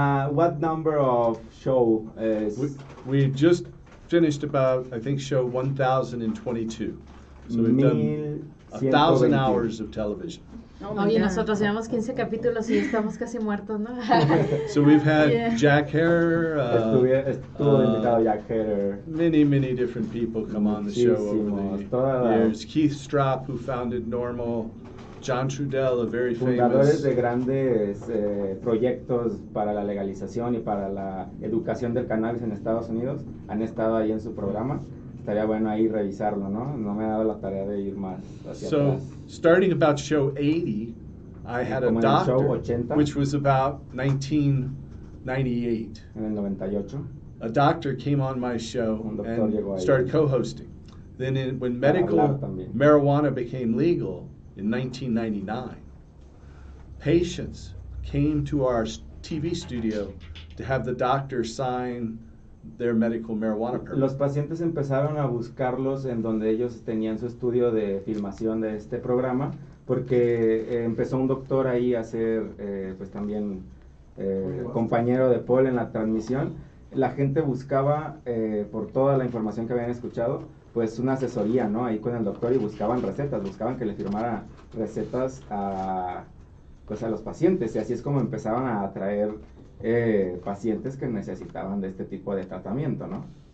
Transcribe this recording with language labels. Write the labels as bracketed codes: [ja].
[en] What number of show is... We just finished about, I think, show 1,022. So we've done 1,000 hours of television. [es] Oye, nosotros llevamos 15 capítulos y estamos casi muertos, ¿no? [en] So we've had Jack Herer. [es] Estuvo invitado Jack Herer. [en] Many, many different people come on the show over the years. Keith Strop, who founded Normal. John Trudell, a very famous... [es] Fundadores de grandes proyectos para la legalización y para la educación del cannabis en Estados Unidos han estado ahí en su programa. Estaría bueno ahí revisarlo, ¿no? No me ha dado la tarea de ir más hacia atrás. [en] So, starting about show 80, I had a doctor, which was about 1998. [es] En el 98. [en] A doctor came on my show and started co-hosting. Then when medical marijuana became legal in 1999, patients came to our TV studio to have the doctor sign their medical marijuana permit. [es] Los pacientes empezaron a buscarlos en donde ellos tenían su estudio de filmación de este programa porque empezó un doctor ahí a ser pues también compañero de Paul en la transmisión. La gente buscaba por toda la información que habían escuchado pues una asesoría, ¿no?, ahí con el doctor y buscaban recetas, buscaban que le firmara recetas a pues a los pacientes y así es como empezaban a atraer pacientes que necesitaban de este tipo de tratamiento, ¿no?